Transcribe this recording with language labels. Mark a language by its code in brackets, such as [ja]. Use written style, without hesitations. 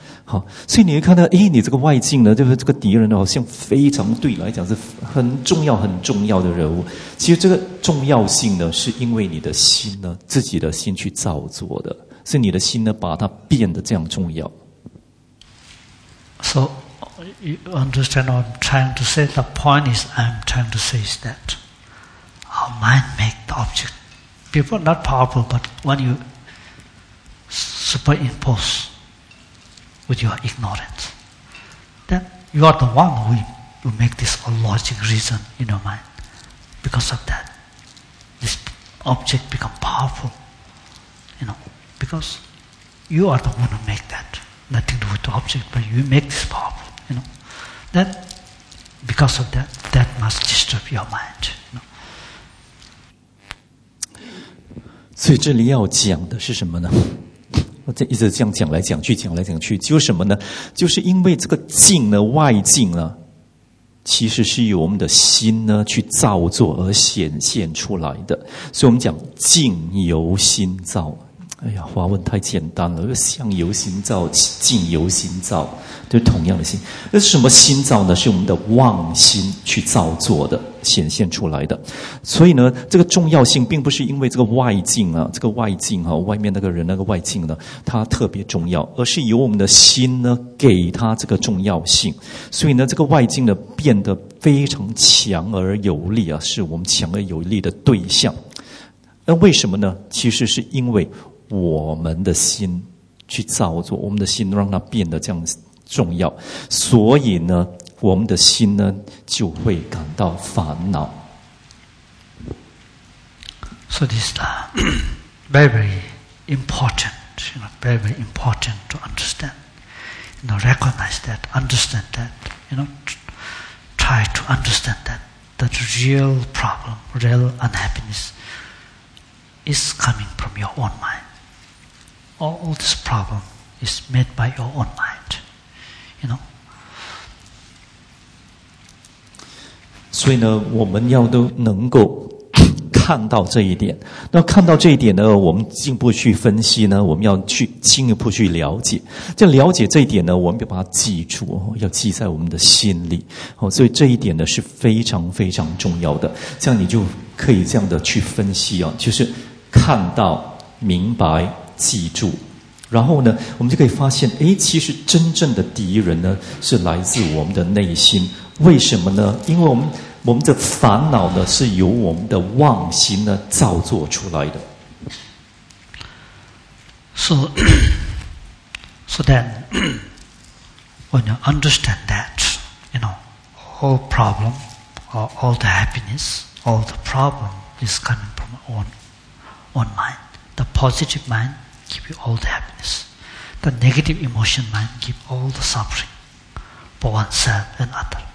[zh] 好，所以你会看到，诶，你这个外境呢，就是这个敌人呢，好像非常对来讲是很重要、很重要的人物。其实这个重要性呢，是因为你的心呢，自己的心去造作的，是你的心呢，把它变得这样重要。 [en] So you understand what I'm trying to say? The point is I'm trying to say is that Our mind makes the object. Before, not powerful, but when you superimpose with your ignorance, then you are the one who make this illogic reason in your mind. Because of that, this object become powerful. You know, because you are the one who make that. Nothing to do with the object, but you make this powerful. You know, then because of that, that must disturb your mind. You know? [zh] 所以这里要讲的是什么呢？我这一直这样讲来讲去，讲来讲去，就是什么呢？就是因为这个境呢，外境呢，其实是由我们的心呢去造作而显现出来的。所以我们讲境由心造。哎呀，华文太简单了，相由心造，境由心造，都是同样的心。那是什么心造呢？是我们的妄心去造作的，显现出来的。所以呢，这个重要性并不是因为这个外境啊，这个外境啊，外面那个人那个外境呢，它特别重要，而是由我们的心呢给它这个重要性。所以呢，这个外境呢变得非常强而有力啊，是我们强而有力的对象。那为什么呢？其实是因为我们的心去造作，我们的心让它变得这样重要，所以呢，我们的心呢就会感到烦恼。 [en] So this is very important, you know, very important to understand, you know, recognize that, understand that, you know, try to understand that that real problem, real unhappiness is coming from your own mind. All this problem is made by your own mind, you know. [zh] 所以呢，我们要都能够看到这一点。那看到这一点呢，我们进一步去分析呢，我们要去进一步去了解。这了解这一点呢，我们要把它记住，要记在我们的心里。所以这一点呢是非常非常重要的。这样你就可以这样的去分析啊，就是看到、明白。记住，然后呢，我们就可以发现，哎，其实真正的敌人呢，是来自我们的内心。为什么呢？因为我们的烦恼呢，是由我们的妄心呢造作出来的。 [en] So then, when you understand that, you know, all problem, all the happiness, all the problem is coming from own mind, the positive mind. Give you all the happiness. The negative emotion mind give all the suffering for oneself and other.